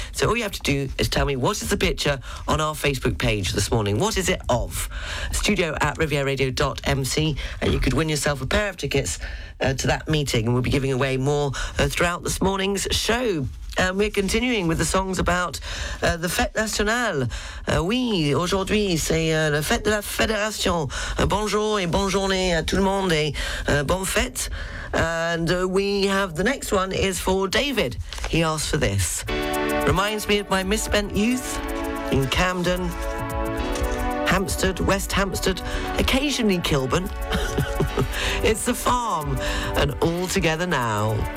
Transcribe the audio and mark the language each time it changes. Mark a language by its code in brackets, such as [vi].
[en] So all you have to do is tell me what is the picture on our Facebook page this morning. What is it of? studio@rivieraradio.mc, and you could win yourself a pair of tickets to that meeting, and we'll be giving away more throughout this morning's show. And we're continuing with the songs about the Fête Nationale. [fr] Oui, aujourd'hui, c'est la Fête de la Fédération. Bonjour et bonne journée à tout le monde et bonne fête. [en] And we have the next one is for David. He asked for this. Reminds me of my misspent youth in Camden, Hampstead, West Hampstead, occasionally Kilburn. It's the farm and all together now.